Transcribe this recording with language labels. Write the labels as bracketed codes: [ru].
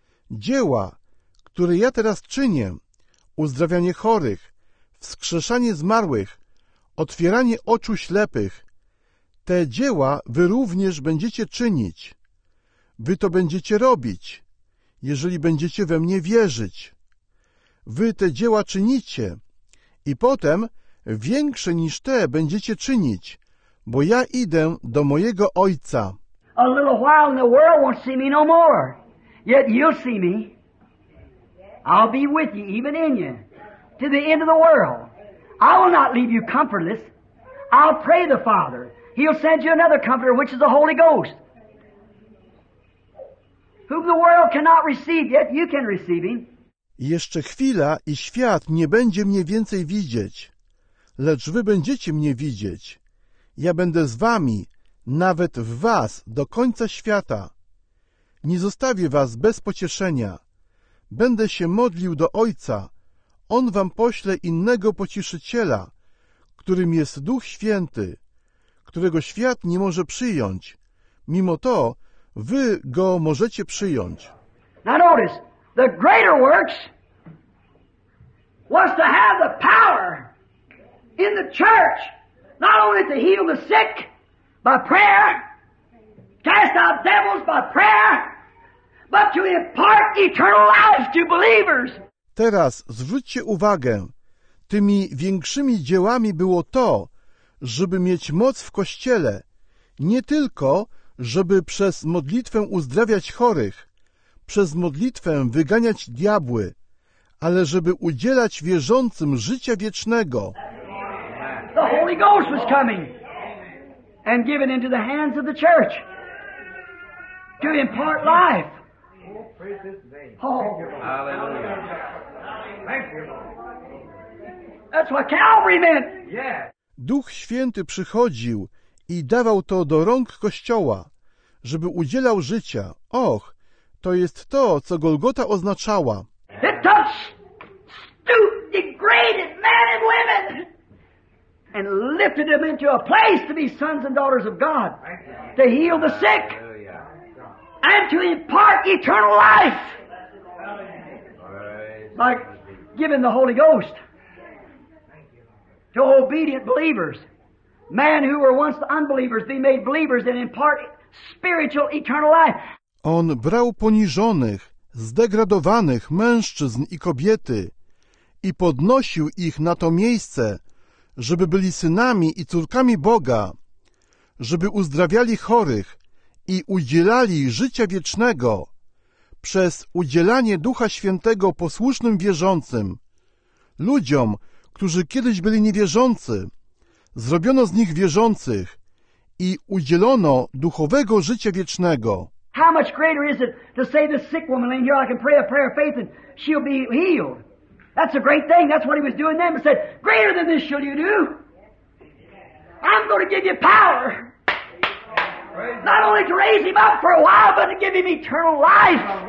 [pl] Dzieła, które ja teraz czynię, uzdrawianie chorych, wskrzeszanie zmarłych, otwieranie oczu ślepych, te dzieła wy również będziecie czynić. Wy to będziecie robić, jeżeli będziecie we mnie wierzyć. Wy te dzieła czynicie i potem większe niż te będziecie czynić, bo ja idę do mojego Ojca. [en] A little while and the world won't see me no more. Yet you'll see me. I'll be with you, even in you, to the end of the world. I will not leave you comfortless. I'll pray the Father. He'll send you another comforter, which is the Holy Ghost. Whom the world cannot receive, yet you can receive him. [pl] Jeszcze chwila i świat nie będzie mnie więcej widzieć. Lecz wy będziecie mnie widzieć. Ja będę z wami, nawet w was, do końca świata. Nie zostawię was bez pocieszenia. Będę się modlił do Ojca. On wam pośle innego pocieszyciela, którym jest Duch Święty, którego świat nie może przyjąć. Mimo to, wy go możecie przyjąć. [en] Now notice, the greater works was to have the power in the church, not only to heal the sick by prayer, cast out devils by prayer, but to impart eternal life to believers. [pl] Teraz zwróćcie uwagę. Tymi większymi dziełami było to, żeby mieć moc w Kościele. Nie tylko, żeby przez modlitwę uzdrawiać chorych, przez modlitwę wyganiać diabły, ale żeby udzielać wierzącym życia wiecznego. [en] The Holy Ghost was coming and given into the hands of the church to impart life. Oh. That's what Calvary meant. [pl] Duch Święty przychodził i dawał to do rąk Kościoła, żeby udzielał życia. Och, to jest to, co Golgota oznaczała. [en] It touched stooped, degraded men and women and lifted them into a place to be sons and daughters of God, to heal the sick and to impart eternal life by giving the Holy Ghost to obedient believers. Men who were once unbelievers be made believers and impart spiritual eternal life. [pl] On brał poniżonych, zdegradowanych mężczyzn i kobiety i podnosił ich na to miejsce, żeby byli synami i córkami Boga, żeby uzdrawiali chorych i udzielali życia wiecznego przez udzielanie Ducha Świętego posłusznym wierzącym. Ludziom, którzy kiedyś byli niewierzący, zrobiono z nich wierzących i udzielono duchowego życia wiecznego. [en] How much greater is it to say the sick woman laying here, I can pray a prayer of faith and she'll be healed. That's a great thing. That's what he was doing then. He said, greater than this shall you do. I'm going to give you power. Not only to raise him up for a while, but to give him eternal life.